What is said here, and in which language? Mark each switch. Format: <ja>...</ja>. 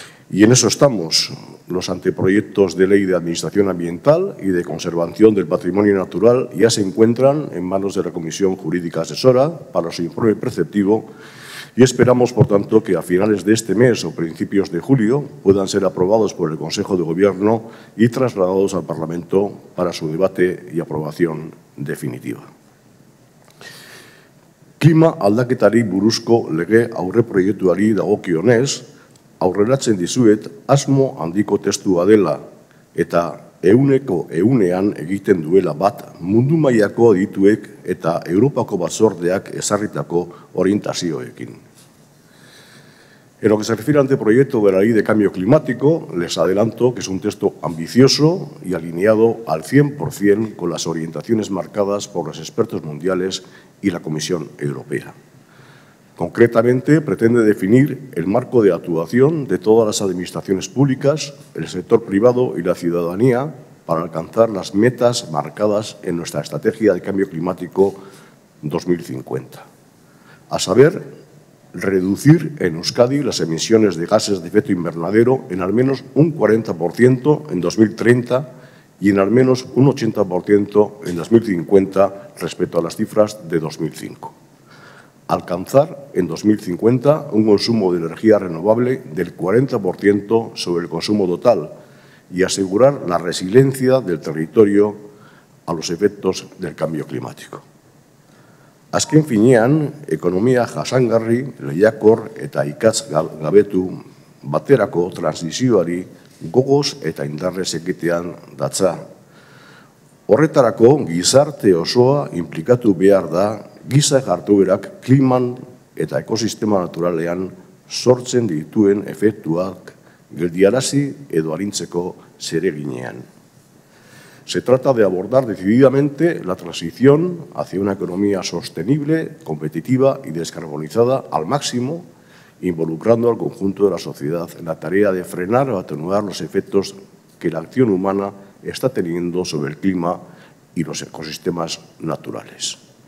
<es>Y en eso estamos. Los anteproyectos de ley de administración ambiental y de conservación del patrimonio natural ya se encuentran en manos de la Comisión Jurídica Asesora para su informe preceptivo y esperamos, por tanto, que a finales de este mes o principios de julio puedan ser aprobados por el Consejo de Gobierno y trasladados al Parlamento para su debate y aprobación definitiva.</es> <eu>Klima aldaketari buruzko lege aurreproiektuari dagokionez, aurreratzen dizuet asmo handiko testua dela eta 100%-ean egiten duela bat mundu mailako adituek eta Europako batzordeak ezarritako orientazioekin.</eu> <es>En lo que se refiere al anteproyecto de la Ley de Cambio Climático, les adelanto que es un texto ambicioso y alineado al 100% con las orientaciones marcadas por los expertos mundiales y la Comisión Europea. Concretamente, pretende definir el marco de actuación de todas las administraciones públicas, el sector privado y la ciudadanía para alcanzar las metas marcadas en nuestra Estrategia de Cambio Climático 2050. A saber, reducir en Euskadi las emisiones de gases de efecto invernadero en al menos un 40% en 2030 y en al menos un 80% en 2050 respecto a las cifras de 2005. Alcanzar en 2050 un consumo de energía renovable del 40% sobre el consumo total y asegurar la resiliencia del territorio a los efectos del cambio climático.</es> <eu>Azken finean, ekonomia jasangarri, lehiakor eta ikatz gabetu baterako transizioari gogoz eta indarrez egitean datza. Horretarako gizarte osoa implikatu behar da giza jarduerak kliman eta ekosistema naturalean sortzen dituen efektuak geldiarazi edo arintzeko zereginean.</eu> <es>Se trata de abordar decididamente la transición hacia una economía sostenible, competitiva y descarbonizada al máximo, involucrando al conjunto de la sociedad en la tarea de frenar o atenuar los efectos que la acción humana está teniendo sobre el clima y los ecosistemas naturales.</es>